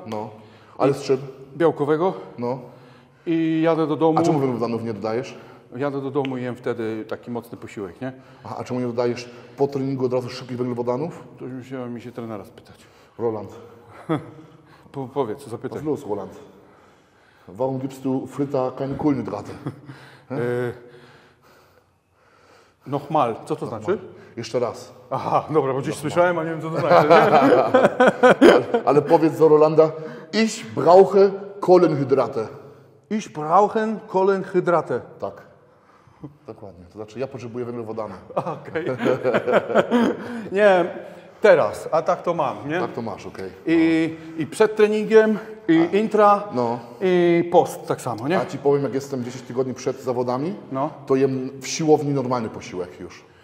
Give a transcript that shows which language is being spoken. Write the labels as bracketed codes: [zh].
[pl] No, ale z czym? Białkowego. No. I jadę do domu. A czemu węglowodanów nie dodajesz? Jadę do domu i jem wtedy taki mocny posiłek, nie? A czemu nie dodajesz po treningu od razu szybkich węglowodanów? To już musiałem mi się trenera spytać. Roland. Powiedz, zapytaj. Plus, Roland. [de] Warum gibst du Fritter keine Kohlenhydrate? Nochmal, [pl] co to znaczy? Jeszcze raz. Aha, dobra, bo gdzieś słyszałem, a nie wiem, co to znaczy. ale powiedz do Rolanda, [de] ich brauche Kohlenhydrate. Ich brauche Kohlenhydrate. [pl] Tak. Dokładnie, to znaczy ja potrzebuję węglowodany. Okej. Okay. Nie, teraz, a tak to mam, nie? Tak to masz, okej. Okay. No. I przed treningiem, i a, intra, no. I post tak samo, nie? A ci powiem, jak jestem 10 tygodni przed zawodami, no. To jem w siłowni normalny posiłek już.